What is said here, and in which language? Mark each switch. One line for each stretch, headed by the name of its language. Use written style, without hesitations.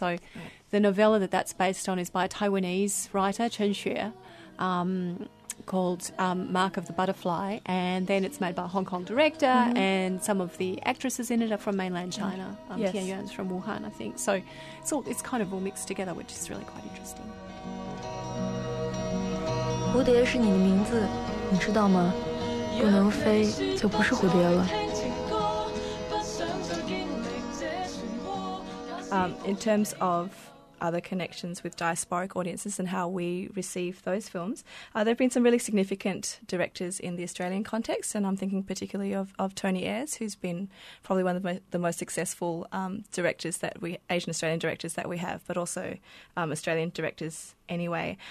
English: So the novella that's based on is by a Taiwanese writer, Chen Xue, called Mark of the Butterfly, and then it's made by a Hong Kong director, and some of the actresses in it are from mainland China. Tian Yuan's from Wuhan, I think. So it's kind of all mixed together, which is really quite interesting.
Chinese: 蝴蝶是你的名字，你知道吗？不能飞就不是蝴蝶了。
English: In terms of other connections with diasporic audiences and how we receive those films, there have been some really significant directors in the Australian context, and I'm thinking particularly of Tony Ayres, who's been probably one of the most successful directors that we Asian Australian directors that we have, but also Australian directors anyway.